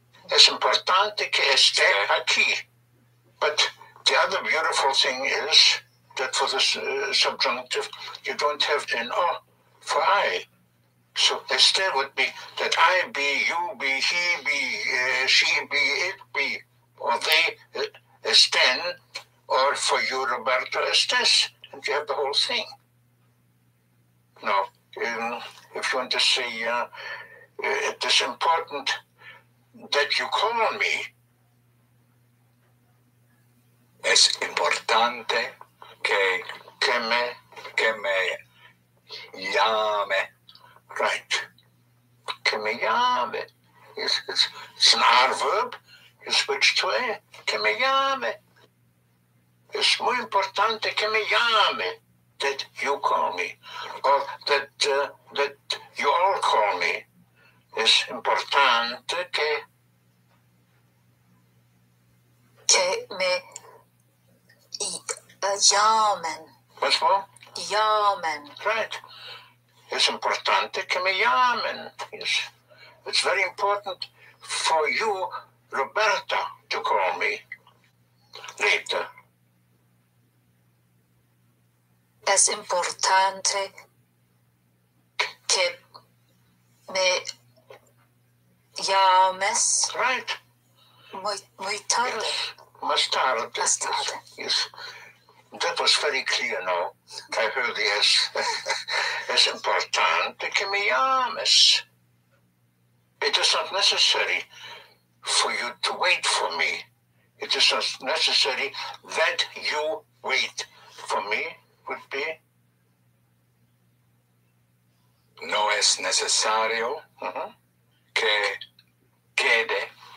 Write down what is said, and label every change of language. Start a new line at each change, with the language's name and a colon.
Spanish: Es importante que esté aquí.
English: But the other beautiful thing is that for the subjunctive, you don't have an O for I. So este would be that I be, you be, he be, she be, it be, or they estén. Or for you, Roberto, estés, and you have the whole thing. No, if you want to say, it is important that you call on me.
Spanish: Es importante que me llame.
English: Right.
Spanish: Que me llame.
English: It's an R verb. You switch to A. Que me llame.
Spanish: It's muy importante que me llame.
English: That you call me. Or that you all call me.
Spanish: Es importante que... Que me... llamen.
English: What's more?
Spanish: Llamen. Right. It's importante que me llamen. Yes.
English: It's very important for you, Roberta, to call me later.
Spanish: Es importante que me llames.
English: Right.
Spanish: Muy tarde. Yes. Más tarde. Más tarde.
English: Yes. That was very clear, no? I heard yes.
Spanish: Es importante que me llames.
English: It is not necessary for you to wait for me. It is not necessary that you wait for me, would be?
Spanish: No es necesario que quede